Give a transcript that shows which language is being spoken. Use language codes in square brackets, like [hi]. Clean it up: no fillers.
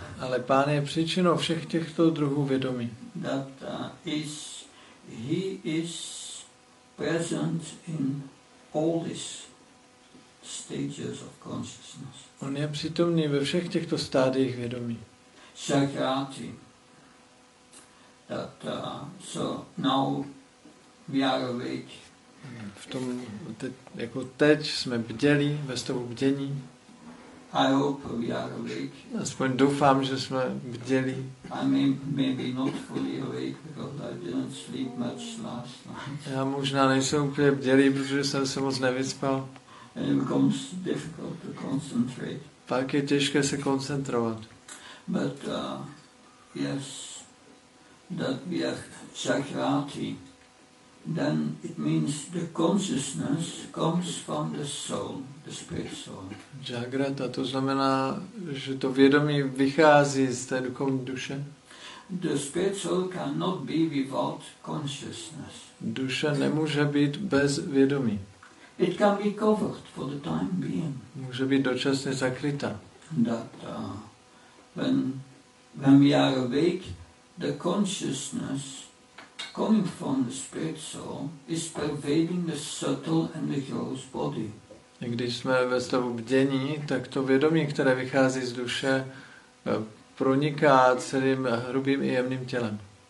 [cs] Ale Pán je příčinou všech těchto druhů vědomí. [en] That is, he is present in all these stages of consciousness. [cs] On je přítomný ve všech těchto stádiích vědomí. [en] Shakrati. That, so now we are awake. [cs] V tom, jako teď jsme bdělí, ve stavu bdění. [en] I hope we are awake. [cs] Aspoň doufám, že jsme bděli. [en] I mean, maybe not fully awake because I didn't sleep much last night. [cs] Já možná nejsem úplně bděli, protože jsem se moc nevyspal. [en] And it becomes difficult to concentrate. [cs] Pak je těžké se koncentrovat. [en] But yes, that we are chakrati, then it means the consciousness comes from the soul, the spirit soul. [cs] Jagrata, to znamená, že to vědomí vychází z té duchovní duše. [en] The spirit soul cannot be without consciousness. [cs] Duše nemůže být bez vědomí. [en] It can be covered for the time being. [cs] Může být dočasně zakryta. [en] That when we are awake, the consciousness coming from the spirit soul is pervading the subtle and the gross body. [cs] Když jsme ve stavu bdění, tak to vědomí, které vychází z duše, proniká celým hrubým i jemným tělem.